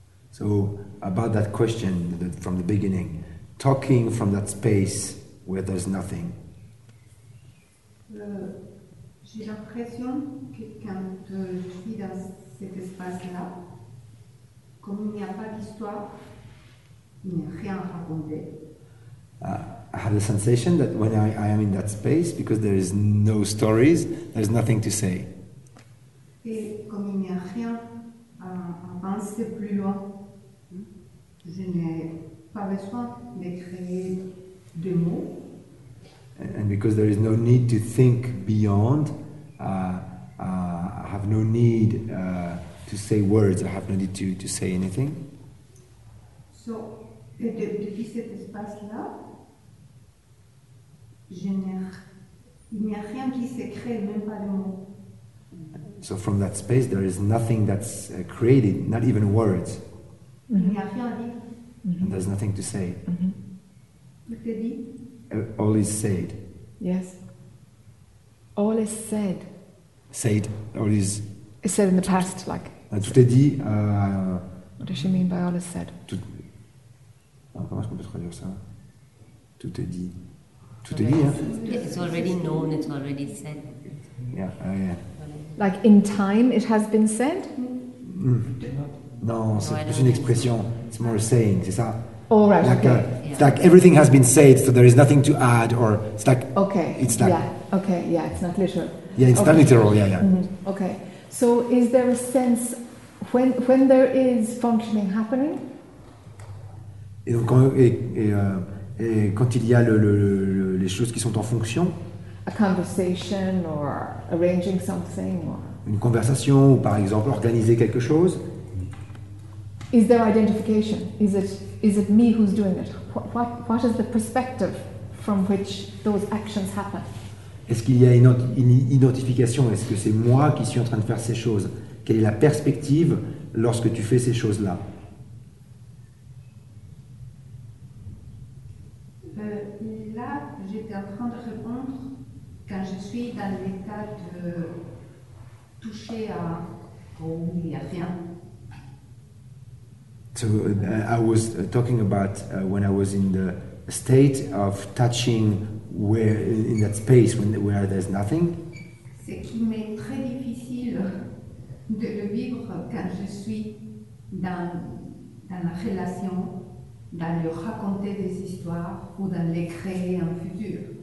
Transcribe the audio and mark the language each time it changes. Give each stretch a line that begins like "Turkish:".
English: So, about that question from the beginning, talking from that space where there's nothing.
French: J'ai l'impression que quand je suis dans cet espace-là, comme il n'y a pas d'histoire, il n'y a rien à raconter.
English: I have the sensation that when I am in that space, because there is no stories, there is nothing to say.
French: Et comme il n'y a rien à penser plus loin, je n'ai pas besoin de créer des mots.
English: And because there is no need to think beyond, I have no need to say words, I have no need to say anything.
French: So, et depuis cet espace-là, il n'y a rien qui se crée, même pas de mots.
English: So from that space, there is nothing that's created, not even words.
French: Il n'y a rien à dire.
English: And there's nothing to say.
French: Tout est dit.
English: All is said. Yes. All is said. Said. All is. It's said in the past, like.
French: Tout est dit.
English: What does she mean by all is said?
French: Tout. Comment est-ce qu'on peut traduire ça? Tout est dit. Tout est dit, hein?
English: It's already known, it's already said. Yeah. Like in time, it has been said?
French: Mm. Non, c'est plus une expression.
English: It's more a saying,
French: c'est ça?
English: Oh, right, like okay. It's like everything has been said, so there is nothing to add, or it's like... Okay, it's like, yeah, okay, yeah, it's not literal. Yeah, it's okay. Not literal, yeah. Mm-hmm. Okay, so is there a sense, when there is functioning happening?
French: Et donc, et quand il y a les choses qui sont en fonction.
English: A conversation or arranging something. Or...
French: Une conversation ou par exemple organiser quelque chose.
English: Is there identification? Is it me who's doing it? What is the perspective from which those actions happen?
French: Est-ce qu'il y a une identification? Est-ce que c'est moi qui suis en train de faire ces choses? Quelle est la perspective lorsque tu fais ces choses-là? Là, j'étais en train de répondre quand je suis dans l'état de toucher à où il n'y a rien.
English: So I was talking about when I was in the state of touching where in that space where there's nothing.
French: C'est qui m'est très difficile de le vivre quand je suis dans la relation. Dans le raconter des histoires ou dans les créer un futur.